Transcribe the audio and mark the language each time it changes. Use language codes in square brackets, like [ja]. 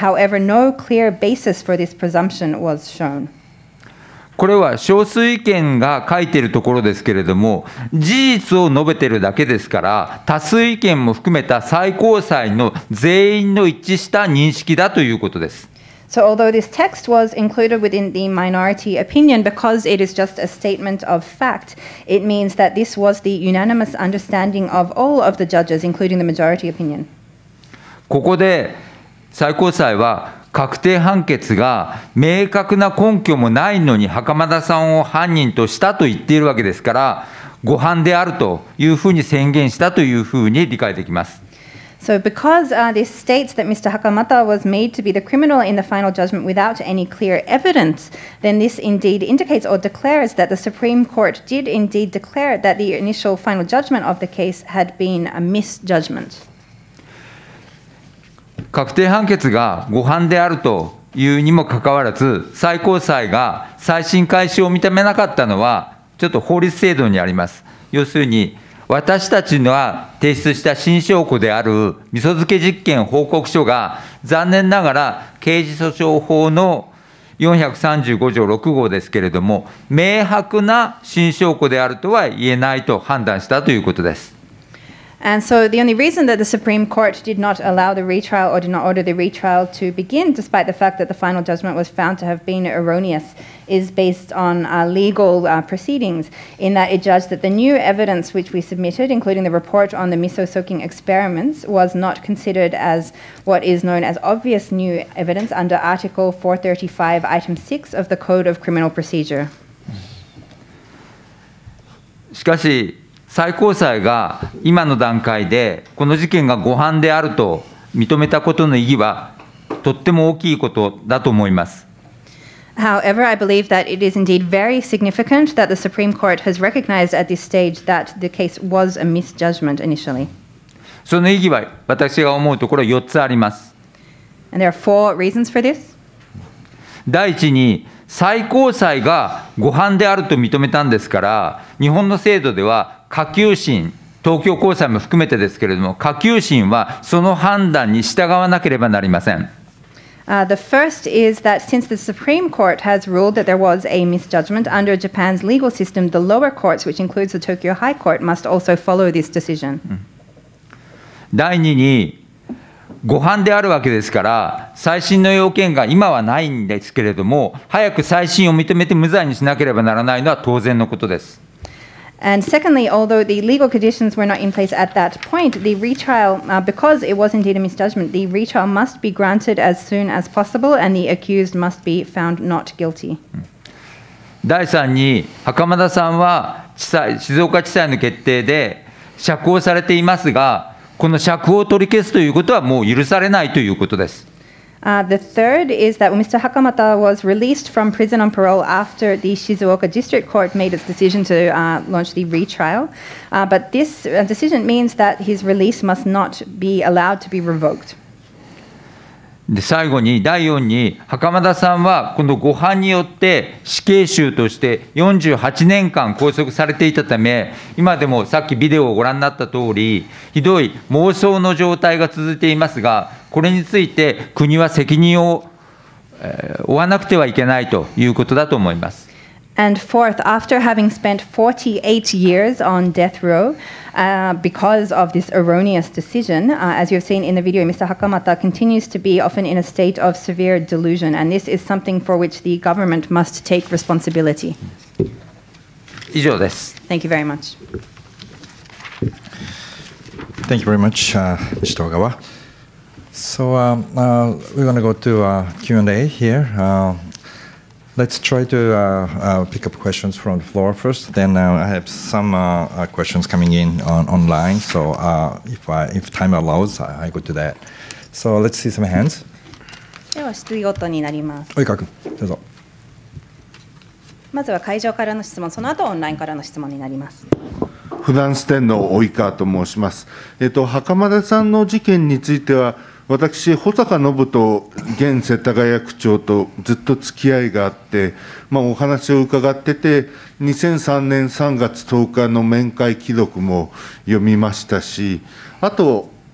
[en] However, no clear basis for this presumption was shown. [ja] これは少数意見が書いているところですけれども、事実を述べているだけですから、多数意見も含めた最高裁の全員の一致した認識だということです。 [en] So although this text was included within the minority opinion, because it is just a statement of fact, it means that this was the unanimous understanding of all of the judges, including the majority opinion. [ja] ここで最高裁は確定判決が明確な根拠もないのに袴田さんを犯人としたと言っているわけですから、誤判であるというふうに宣言したというふうに理解できます。 [en] So because this states that Mr. Hakamata was made to be the criminal in the final judgment without any clear evidence, then this indeed indicates or declares that the Supreme Court did indeed declare that the initial final judgment of the case had been a misjudgment. [ja] 確定判決が誤判であるというにもかかわらず、最高裁が再審開始を認めなかったのは、ちょっと法律制度にあります。要するに、私たちが提出した新証拠である味噌漬け実験報告書が、残念ながら刑事訴訟法の435条6号ですけれども、明白な新証拠であるとは言えないと判断したということです。 [en] And so the only reason that the Supreme Court did not allow the retrial or did not order the retrial to begin, despite the fact that the final judgment was found to have been erroneous, is based on legal proceedings, in that it judged that the new evidence which we submitted, including the report on the miso soaking experiments, was not considered as what is known as obvious new evidence under Article 435, Item 6 of the Code of Criminal Procedure. [ja] しかし最高裁が今の段階でこの事件が誤判であると認めたことの意義はとっても大きいことだと思います。 [en] However, I believe that it is indeed very significant that the Supreme Court has recognized at this stage that the case was a misjudgment initially. [ja] その意義は私が思うところ4つあります。 [en] And there are four reasons for this. [ja] 第一に、最高裁が誤判であると認めたんですから、日本の制度では下級審、東京高裁も含めてですけれども、下級審はその判断に従わなければなりません。 [en] The first is that since the Supreme Court has ruled that there was a misjudgment under Japan's legal system, the lower courts, which includes the Tokyo High Court, must also follow this decision. [ja] 第二に、誤判であるわけですから、再審の要件が今はないんですけれども、早く再審を認めて無罪にしなければならないのは当然のことです。 [en] And secondly, although the legal conditions were not in place at that point, the retrial, because it was indeed a misjudgment, the retrial must be granted as soon as possible and the accused must be found not guilty. [ja] 第3に、袴田さんは静岡地裁の決定で釈放されていますが、この釈放を取り消すということはもう許されないということです。 [en] The third is that Mr. Hakamata was released from prison on parole after the Shizuoka District Court made its decision to launch the retrial. But this decision means that his release must not be allowed to be revoked. [ja] で最後に第4に、袴田さんはこの誤判によって死刑囚として48年間拘束されていたため、今でもさっきビデオをご覧になった通り、ひどい妄想の状態が続いていますが、これについて国は責任を負わなくてはいけないということだと思います。 [en] And fourth, after having spent 48 years on death row, because of this erroneous decision, as you have seen in the video, Mr. Hakamata continues to be often in a state of severe delusion, and this is something for which the government must take responsibility. [ja] 以上です。 [en] Thank you very much. Thank you very much, Mr. Ogawa. So we're going to go to Q&A here. Let's try to pick up questions from the floor first. Then I have some questions coming in online. So if time allows, I go to that. So let's see some hands. [ja] では質疑応答になります。及川君、どうぞ。まずは会場からの質問、その後オンラインからの質問になります。普段支店の及川と申します。袴田さんの事件については、私、保坂信人現世田谷区長とずっと付き合いがあって、まあ、お話を伺ってて、2003年3月10日の面会記録も読みましたし、あと、